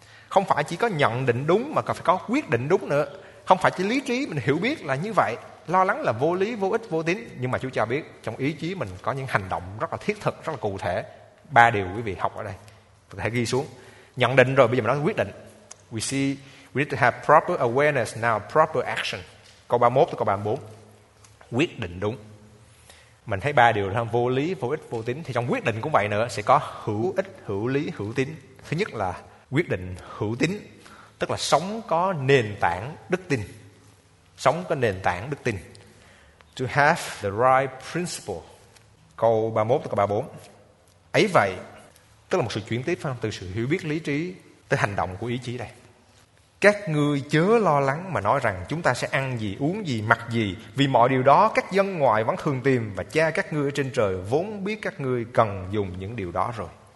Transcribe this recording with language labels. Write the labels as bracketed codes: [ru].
[vi] Không phải chỉ có nhận định đúng mà còn phải có quyết định đúng nữa. Không phải chỉ lý trí mình hiểu biết là như vậy. Lo lắng là vô lý, vô ích, vô tín. Nhưng mà Chúa cho biết trong ý chí mình có những hành động rất là thiết thực, rất là cụ thể. Ba điều quý vị học ở đây, có thể ghi xuống. Nhận định rồi, bây giờ mình nói quyết định. [en] We see, we need to have proper awareness, now proper action. [vi] Câu 31 tới câu 34. Quyết định đúng. Mình thấy ba điều là vô lý, vô ích, vô tín. Thì trong quyết định cũng vậy nữa, sẽ có hữu ích, hữu lý, hữu tín. Thứ nhất là quyết định hữu tín, tức là sống có nền tảng đức tin. Sống có nền tảng đức tin. [en] To have the right principle. [vi] Câu 31 tới câu 34. Ấy vậy, tức là một sự chuyển tiếp phải không? Từ sự hiểu biết lý trí tới hành động của ý chí đây. Các ngươi chớ lo lắng mà nói rằng chúng ta sẽ ăn gì, uống gì, mặc gì, vì mọi điều đó các dân ngoại vẫn thường tìm, và cha các ngươi ở trên trời vốn biết các ngươi cần dùng những điều đó rồi.